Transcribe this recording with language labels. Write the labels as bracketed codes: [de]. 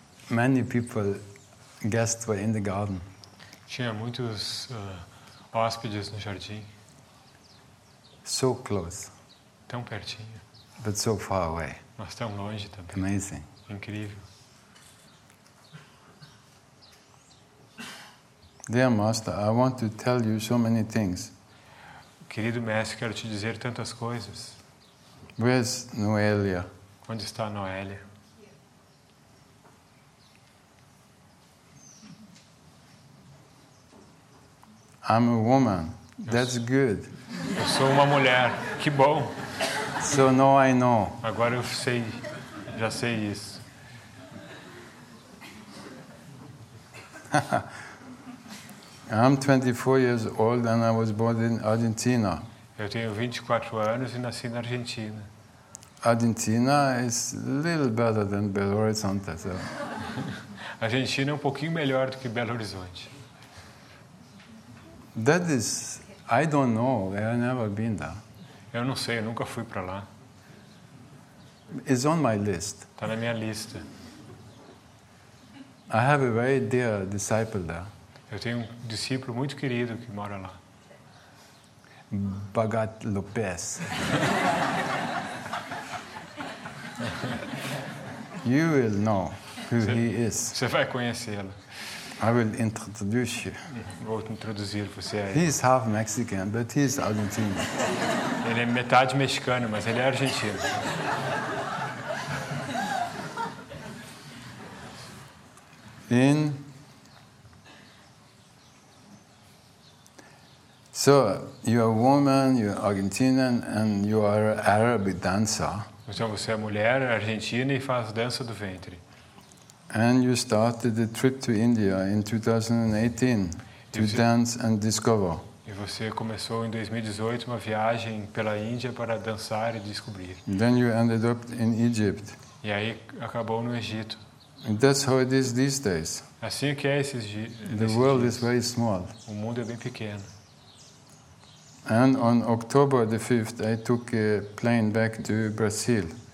[en] Many people, guests were in the garden. [pt] Tinha muitos hóspedes no jardim. [en] So close. [pt] Tão pertinho. [en] But so far away. [pt] Mas tão longe também. [en] Amazing. [pt] Incrível. [en] Dear Master, I want to tell you so many things. [pt] Querido mestre, quero te dizer tantas coisas. [en] Where's Noelia? [pt] Onde está a Noelia? [en] I'm a woman. That's good. [pt] Eu sou uma mulher. Que bom. [en] So now I know. [pt] Agora eu sei. Já sei isso. [en] I'm 24 years old and I was born in Argentina. [pt] Eu tenho 24 anos e nasci na Argentina. [en] Argentina is a little better than Belo Horizonte. So. [pt] Argentina é um pouquinho melhor do que Belo Horizonte. [en] That is, I don't know, I've never been there. [pt] Eu não sei, eu nunca fui para lá. [en] It's on my list. [pt] Tá na minha lista. [en] I have a very dear disciple there. [pt] Eu tenho um discípulo muito querido que mora lá. [en] Bagat Lopez. You will know who [pt] cê, [en] he is. [pt] Você vai conhecê-lo. [en] I will introduce you. [pt] Vou introduzir você a ele. [en] He is half Mexican, but he is Argentine. [pt] Ele é metade mexicano, mas ele é argentino. [en] In so you are a woman, you are Argentinian, and you are Arab dancer. [pt] Então você é mulher argentina e faz dança do ventre. [en] And you started the trip to India in 2018 to dance and discover. [pt] E você começou em 2018 uma viagem pela Índia para dançar e descobrir. [en] Then you ended up in Egypt. [pt] E aí acabou no Egito. [en] And that's how it is these days. [pt] Assim que é esses dias. [en] The world [pt] dias. [en] Is very small. [pt] O mundo é bem pequeno. [en] And on October the 5th, I took a plane back to Brazil.